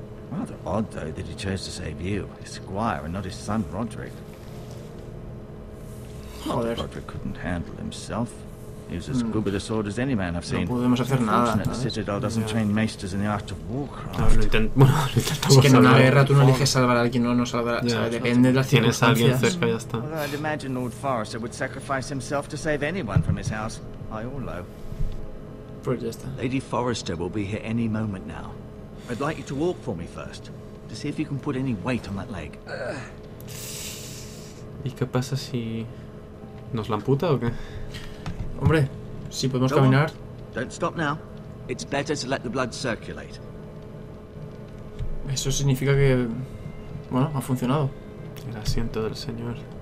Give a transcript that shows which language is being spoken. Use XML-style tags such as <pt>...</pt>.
<en>Rather odd, though, that he chose to save you, his squire, and not his son, Roderick.</en> <es>Joder.</es> <en>Roderick couldn't handle himself. He was as good with a sword as any man I've seen.</en> <es>No podemos hacer nada, ¿sabes?</es> <en>The Citadel doesn't train maesters in the art of warcraft.</en> <es>No, lo intent- bueno, lo intentamos. Es que en una guerra tú no eliges salvar a alguien o no salvar a... Yeah, o sea, depende de las circunstancias. Tienes a alguien cerca, ya está.</es> <en>Although I'd imagine Lord Forrester would sacrifice himself to save anyone from his house, high or low.</en> <es>Pues ya está.</es> <en>Lady Forrester will be here any moment now. I'd like you to walk for me first, to see if you can put any weight on that leg.</en> <es>¿Y qué pasa si nos la amputa o qué? Hombre, si podemos caminar.</es> <en>Don't stop now. It's better to let the blood circulate.</en> <es>Eso significa que, bueno, ha funcionado. El asiento del señor.</es>